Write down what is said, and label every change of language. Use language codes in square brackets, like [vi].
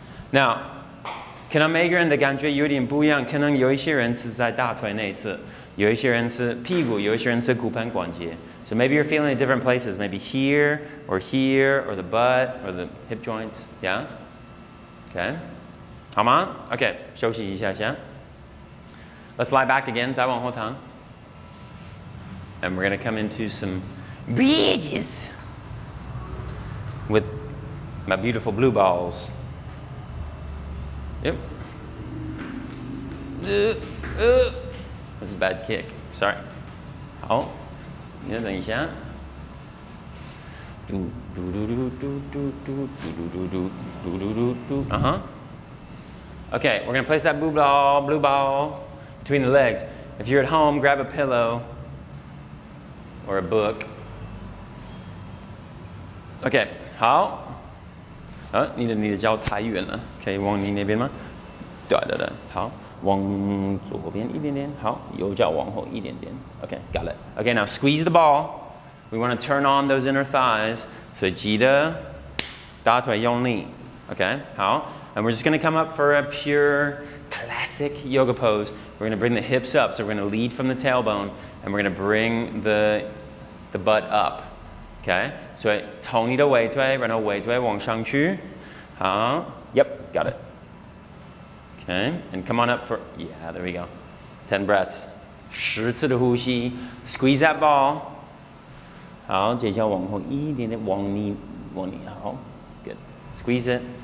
[zh] Now, 可能每个人的感觉有点不一样，可能有一些人是在大腿内侧，有一些人是屁股，有一些人是骨盆关节。 [en] So maybe you're feeling in different places, maybe here, or the butt, or the hip joints, yeah? Okay, 好吗?Okay, [zh] 休息一下先。 [en] Let's lie back again, [zh] 再往后躺。 [en] And we're gonna come into some bridges. With my beautiful blue balls. Yep. That's a bad kick. Sorry. [zh] 好，你再等一下。嘟嘟嘟嘟嘟嘟嘟嘟嘟嘟嘟嘟嘟嘟嘟。 Uh-huh. [en] Okay, we're gonna place that blue ball between the legs. If you're at home, grab a pillow or a book. Okay. [zh] 好、啊、你的脚太远了可以往你那边吗对对对好往左边一点点好右脚往后一点点 [en] OK got it OK now squeeze the ball we want to turn on those inner thighs [zh] 所以记得大腿用力 [en] OK 好 and we're just going to come up for a pure classic yoga pose. We're gonna bring the hips up, so we're gonna lead from the tailbone, and we're gonna bring the butt up. Okay? [zh] So, 从你的尾椎，然后尾椎往上去. [en] Yep, got it. Okay, and come on up for, yeah, there we go. 10 breaths. [zh] 十次的呼吸, [en] squeeze that ball. [zh] 好,接下来往后一点点,往你, 好, [en] good. Squeeze it.